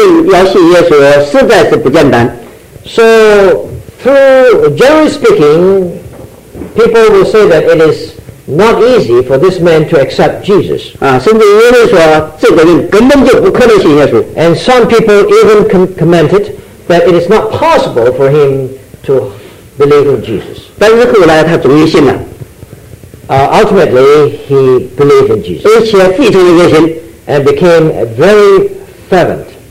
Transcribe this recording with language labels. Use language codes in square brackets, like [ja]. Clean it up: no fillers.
[zh] 在一般人看来，这个人要信耶稣实在是不简单。 [en] So through generally speaking, people will say that it is not easy for this man to accept Jesus. [zh] 甚至有人说这个人根本就不可能信耶稣。 [en] And some people even commented that it is not possible for him to believe in Jesus. [zh] 但是后来他终于信了。 [en] Ultimately, he believed in Jesus. [zh] 而且非常的热心。 [en] And became very fervent.